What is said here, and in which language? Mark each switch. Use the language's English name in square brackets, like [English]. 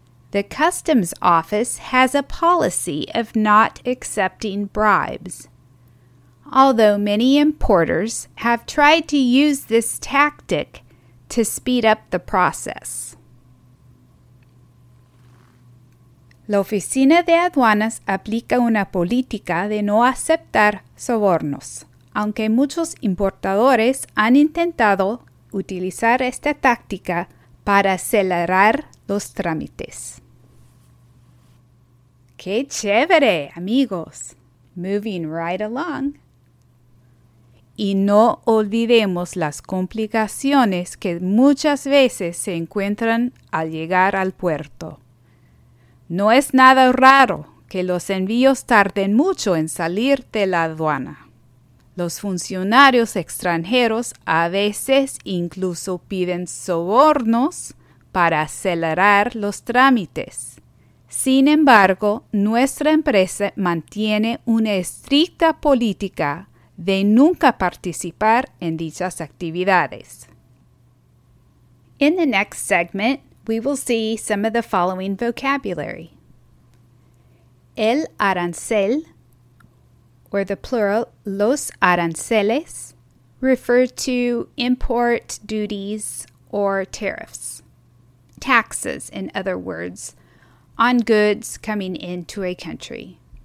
[English] The customs office has a policy of not accepting bribes. Although many importers have tried to use this tactic to speed up the process. [Spanish] La oficina de aduanas aplica una política de no aceptar sobornos, aunque muchos importadores han intentado utilizar esta táctica para acelerar los trámites. ¡Qué chévere, amigos! [English] Moving right along. [Spanish] Y no olvidemos las complicaciones que muchas veces se encuentran al llegar al puerto. No es nada raro que los envíos tarden mucho en salir de la aduana. Los funcionarios extranjeros a veces incluso piden sobornos para acelerar los trámites. Sin embargo, nuestra empresa mantiene una estricta política de nunca participar en dichas actividades. [English] In the next segment, we will see some of the following vocabulary. El arancel, or the plural, los aranceles, refer to import duties or tariffs, taxes, in other words, on goods coming into a country.